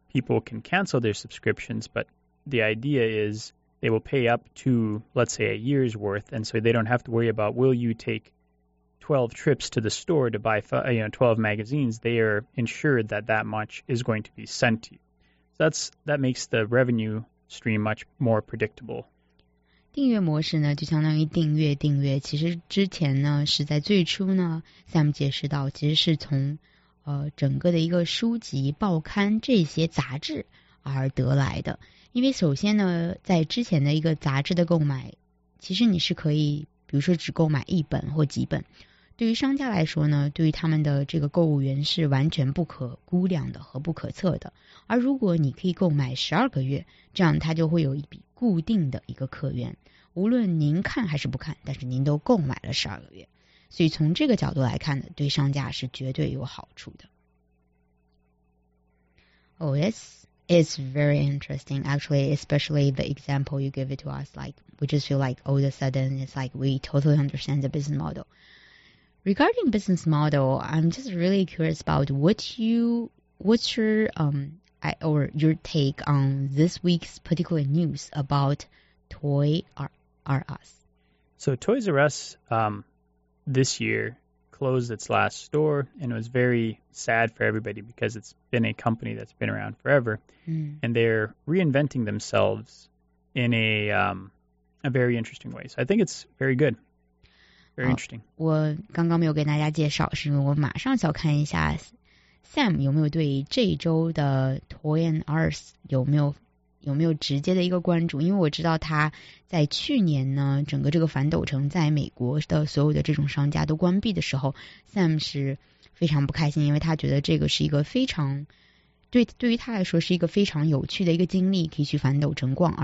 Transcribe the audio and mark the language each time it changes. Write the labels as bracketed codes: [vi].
[en] People can cancel their subscriptions, but the idea is they will pay up to, let's say, a year's worth, and so they don't have to worry about, will you take 12 trips to the store to buy 12 magazines? They are ensured that that much is going to be sent to you. So that makes the revenue... stream much more predictable. [zh] 订阅模式呢就相当于订阅，其实之前呢是在最初呢 Sam 解释到其实是从整个的一个书籍报刊这些杂志而得来的，因为首先呢在之前的一个杂志的购买其实你是可以比如说只购买一本或几本，对于商家来说呢，对于他们的这个购物源是完全不可估量的和不可测的。而如果你可以购买12个月，这样他就会有一笔固定的一个客源，无论您看还是不看，但是您都购买了12个月。所以从这个角度来看呢，对商家是绝对有好处的。 [en] Oh, it's very interesting, actually, especially the example you give it to us. Like, we just feel like all of a sudden it's like we totally understand the business model. Regarding business model, I'm just really curious about your take on this week's particular news about Toys R Us. So Toys R Us this year closed its last store, and it was very sad for everybody because it's been a company that's been around forever. Mm. And they're reinventing themselves in a very interesting way. So I think it's very good. Very interesting. [zh] 我刚刚没有跟大家介绍，是因为我马上想看一下 Sam 有没有对这一周的 Toy and Arts 有没有直接的一个关注，因为我知道他在去年呢，整个这个反斗城在美国的所有的这种商家都关闭的时候 ，Sam 是非常不开心，因为他觉得这个是一个非常对于他来说是一个非常有趣的一个经历，可以去反斗城逛。